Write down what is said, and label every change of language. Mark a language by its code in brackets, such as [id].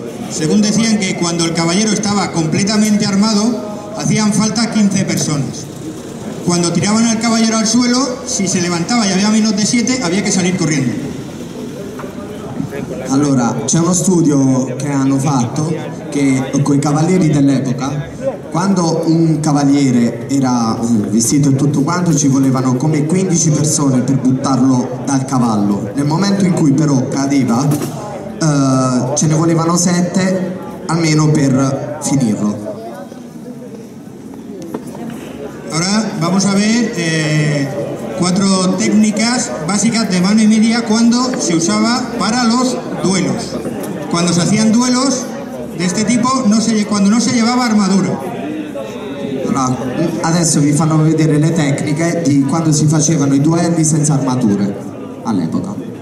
[es] Según decían que cuando el caballero estaba completamente armado, hacían falta 15 personas. Cuando tiraban al caballero al suelo, si se levantaba y había menos de 7, había que salir corriendo. [it] Allora, c'è uno studio che hanno fatto che con i cavalieri dell'epoca, quando un cavaliere era vestito e tutto quanto, ci volevano come 15 persone per buttarlo dal cavallo. Nel momento in cui però cadeva, ce ne volevano 7 almeno per finirlo. [es] Ora vamos a ver 4 técnicas básicas de mano y media cuando se usaba para los duelos. Cuando se hacían duelos de este tipo, cuando no se llevaba armadura. [it] Allora, adesso vi fanno vedere le tecniche di quando si facevano i duelli senza armature all'epoca.